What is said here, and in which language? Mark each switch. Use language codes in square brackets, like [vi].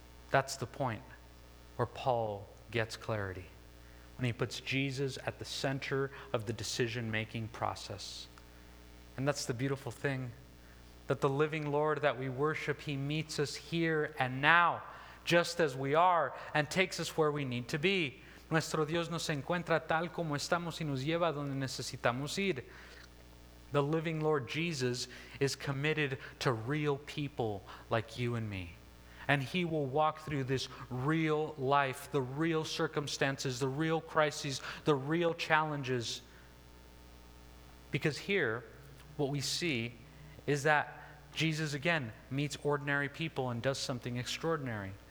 [en] That's the point where Paul gets clarity, when he puts Jesus at the center of the decision-making process. And that's the beautiful thing, that the living Lord that we worship, he meets us here and now, just as we are, and takes us where we need to be. [es] Nuestro Dios nos encuentra tal como estamos y nos lleva donde necesitamos ir. [en] The living Lord Jesus is committed to real people like you and me. And he will walk through this real life, the real circumstances, the real crises, the real challenges. Because here, what we see is that Jesus, again, meets ordinary people and does something extraordinary.